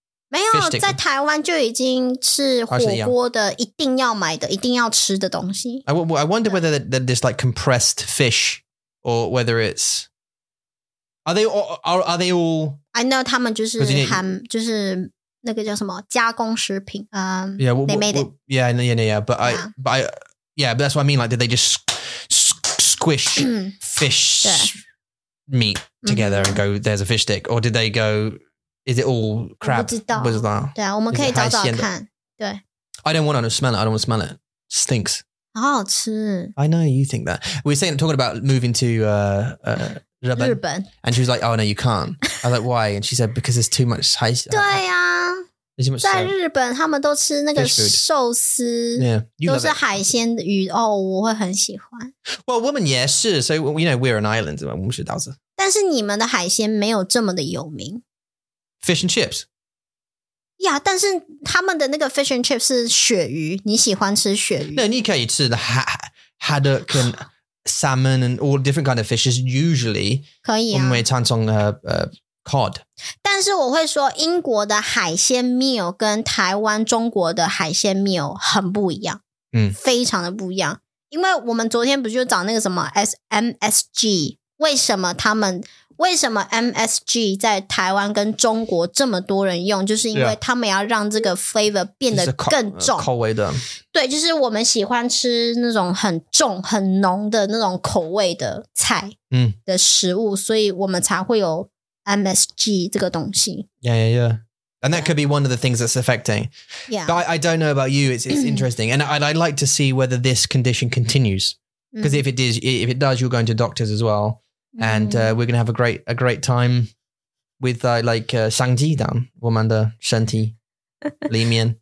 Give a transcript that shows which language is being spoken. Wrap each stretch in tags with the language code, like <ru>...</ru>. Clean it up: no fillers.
<zh>没有在台湾就已经是火锅的一定要买的一定要吃的东西。</zh> <en>I wonder whether that is like compressed fish or whether it's... Are they all... I know</en> <zh>他们就是含就是那个叫什么加工食品。</zh> <en>Yeah, they made it. But that's what I mean. Like, did they just squish fish meat together and go, there's a fish stick? Or did they go... Is it all crab?</en> <zh>我不知道。不知道。对啊，我们可以找找看。对。</zh> <en>I don't want to smell it. I don't want to smell it. Stinks.</en> <zh>好好吃。</zh> <en>I know you think that. We're saying, talking about moving to 日本。 And she was like, oh no, you can't. I was like, why? And she said, because there's too much 海鲜。</en> <zh>对啊。在日本他们都吃那个寿司。</zh> <en>Yeah,</en> <zh>都是海鲜的鱼。哦，我会很喜欢。</zh> <en>Well,</en> <zh>我们也是。</zh> <en>So, you know, we're an island.</en> <zh>我们是岛子。但是你们的海鲜没有这么的有名。</zh> <en>Fish and chips.</en> <zh>Yeah, 但是他们的那个</zh> <en>fish and chips</en> <zh>是鳕鱼你喜欢吃鳕鱼</zh> <en>No,</en> <zh>你可以吃的</zh> <en>haddock and salmon and all different kind of fishes, usually.</en> <zh>可以啊。我们会常常cod. 但是我会说英国的海鲜 meal 跟台湾中国的海鲜 meal 很不一样。非常的不一样。因为我们昨天不就找那个什么 MSG, 为什么他们为什么 MSG 在台湾跟中国这么多人用就是因为他们要让这个 flavor 变得更重。口味的。对就是我们喜欢吃那种很重很浓的那种口味的菜的食物、嗯、所以我们才会有 MSG 这个东西。</zh> <en>Yeah. And that could be one of the things that's affecting. Yeah. But I don't know about you, it's interesting. And I'd like to see whether this condition continues. Because if it does, you're going to doctors as well. And we're going to have a great time with like</en> <zh>相机的我们的身体里面。</zh>